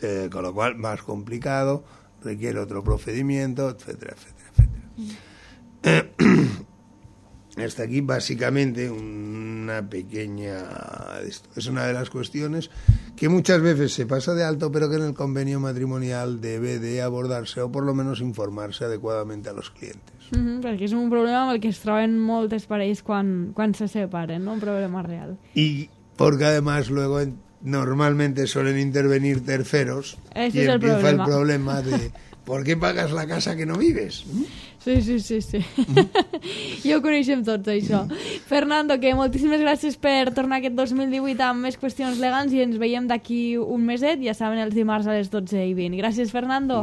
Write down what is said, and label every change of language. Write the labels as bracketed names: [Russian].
[Spanish] Con lo cual, más complicado, requiere otro procedimiento, etcétera, etcétera, etcétera. Hasta aquí básicamente una pequeña... Es una de las cuestiones que muchas veces se pasa de alto, pero que en el convenio matrimonial debe de abordarse o por lo menos informarse adecuadamente a los clientes. [Catalan] Perquè és un problema amb el que es troben moltes parelles quan se separen, no? Un problema real. I perquè, [Spanish] además, luego normalmente suelen intervenir terceros i empieza el problema de... ¿Por qué pagas la casa que no vives? [Catalan] Sí. Jo ho coneixem tots, això. Fernando, que moltíssimes gràcies per tornar aquest 2018 amb més qüestions legals i ens veiem d'aquí un meset, ja saben, els dimarts a les 12:20. Gràcies, Fernando.